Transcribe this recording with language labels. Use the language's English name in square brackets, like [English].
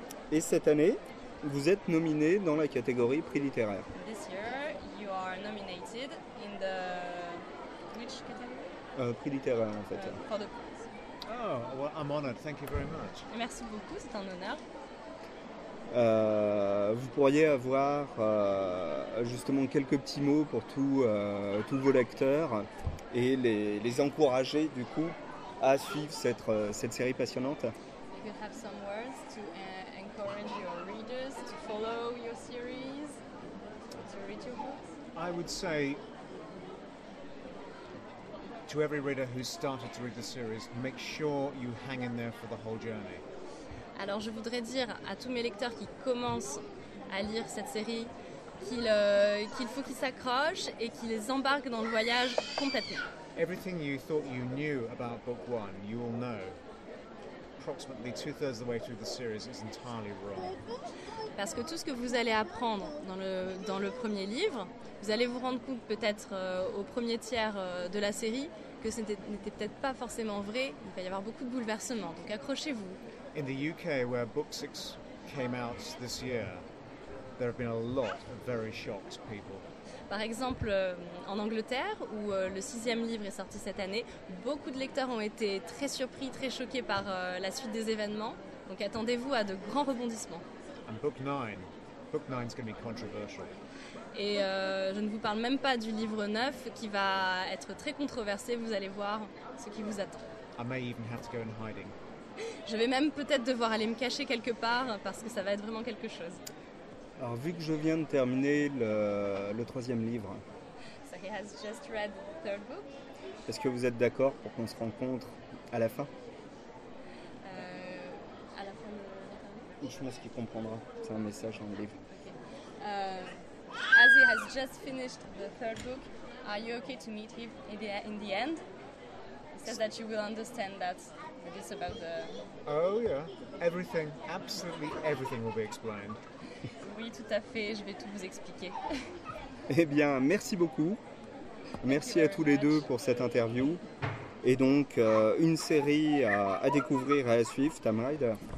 [French] Et cette année, vous êtes nominé dans la catégorie prix littéraire. [English] This year, you are nominated in the which category? [French] Prix littéraire, en fait. [English] Oh, well, I'm honored. Thank you very much. [French] Merci beaucoup, c'est un honneur. Vous pourriez avoir justement quelques petits mots pour tous vos lecteurs et les encourager du coup à suivre cette série passionnante. [English] You could have some words to encourage your readers to follow your series, to read your books. I would say to every reader who started to read the series, make sure you hang in there for the whole journey. [French] Alors je voudrais dire à tous mes lecteurs qui commencent à lire cette série, qu'il faut qu'ils s'accrochent et qu'ils embarquent dans le voyage complètement. [English] Everything you thought you knew about book one, you will know. Approximately two-thirds of the way through the series is entirely wrong. [French] Parce que tout ce que vous allez apprendre dans le premier livre, vous allez vous rendre compte peut-être au premier tiers de la série que ce n'était peut-être pas forcément vrai. Il va y avoir beaucoup de bouleversements, donc accrochez-vous. [English] In the UK, where book six came out this year, there have been a lot of very shocked people. [French] Par exemple, en Angleterre, où le sixième livre est sorti cette année, beaucoup de lecteurs ont été très surpris, très choqués par la suite des événements. Donc attendez-vous à de grands rebondissements. [English] And book nine is going to be controversial. [French] Et je ne vous parle même pas du livre 9 qui va être très controversé. Vous allez voir ce qui vous attend. [English] I may even have to go in hiding. [French] Je vais même peut-être devoir aller me cacher quelque part parce que ça va être vraiment quelque chose. Alors, vu que je viens de terminer le troisième livre, [English] so he has just read the third book. [French] Est-ce que vous êtes d'accord pour qu'on se rencontre à la fin? À la fin de... Je pense qu'il comprendra. C'est un message dans le livre. [English] Okay. As he has just finished the third book, are you okay to meet him in the end? He says that you will understand that it's about the... Oh yeah, everything, absolutely everything will be explained. [French] Oui, tout à fait, je vais tout vous expliquer. Eh bien, merci beaucoup. Merci à tous les deux pour cette interview. Et donc, une série à découvrir et à suivre, Tamrider.